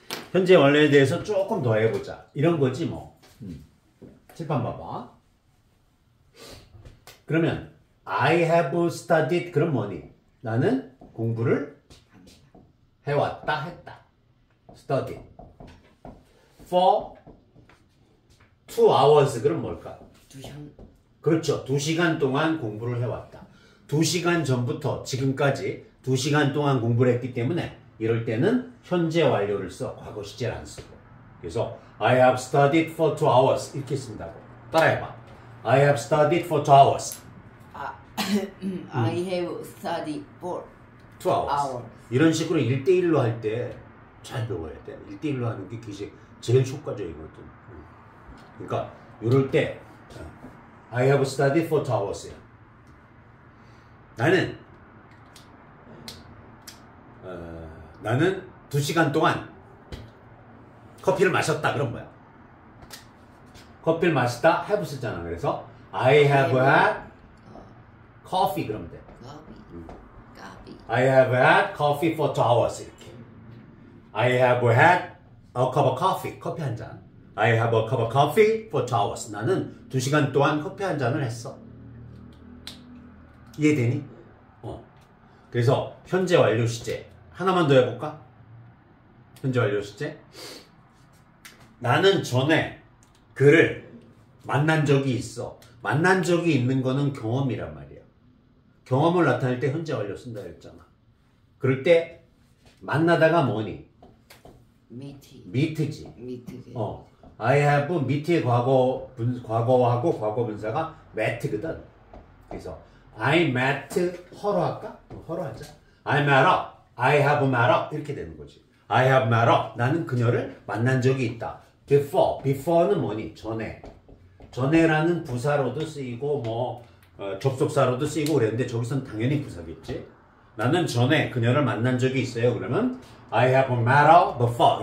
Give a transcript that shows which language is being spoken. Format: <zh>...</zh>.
<ko>현재 완료에 대해서 조금 더 해보자. 이런 거지 뭐. 칠판 봐봐. 그러면</ko> <en>I have studied</en> <ko>그럼 뭐니? 나는 공부를 해왔다 했다. studied for 2 hours 그럼 뭘까? 2시간. 그렇죠. 2시간 동안 공부를 해왔다. 2시간 전부터 지금까지 2시간 동안 공부를 했기 때문에 이럴 때는 현재 완료를 써. 과거 시제를 안 쓰고. 그래서</ko> <en>I have studied for 2 hours</en> <ko>이렇게 쓴다고. 따라해봐.</ko> <en>I have studied for 2 hours. I have studied for 2 hours.</en> <ko>이런 식으로 1대1로 할 때 잘 배워야 돼. 1대1로 하는 게 제일 효과적이거든.</ko> <en>그러니까 이럴 때 I have studied for 2 hours.</en> <ko>나는 2시간 동안 커피를 마셨다. 그런 거야. 커피를 마셨다. have 쓰잖아.</ko> <en>그래서 I have had coffee.</en> <ko>그러면 돼.</ko> <en>Coffee. I have had coffee for 2 hours.</en> <ko>이렇게.</ko> <en>I have had a cup of coffee.</en> <ko>커피 한 잔.</ko> <en>I have a cup of coffee for 2 hours.</en> <ko>나는 2시간 동안 커피 한 잔을 했어. 이해되니? 그래서 현재 완료 시제. 하나만 더 해볼까? 현재 완료 시제. 나는 전에 그를 만난 적이 있어. 만난 적이 있는 거는 경험이란 말이야. 경험을 나타낼 때 현재 완료 쓴다 했잖아. 그럴 때 만나다가 뭐니? meet지. I have meet의 과거하고 과거 분사가 met거든. 그래서 I met her로 할까?</ko> <en>허로 하자. I met her. I have met her.</en> <ko>이렇게 되는 거지.</ko> <en>I have met her.</en> <ko>나는 그녀를 만난 적이 있다. Before는 뭐니? 전에. 전에라는 부사로도 쓰이고 접속사로도 쓰이고 그랬는데 저기선 당연히 부사겠지. 나는 전에 그녀를 만난 적이 있어요.</ko> <en>그러면 I have met her before.</en>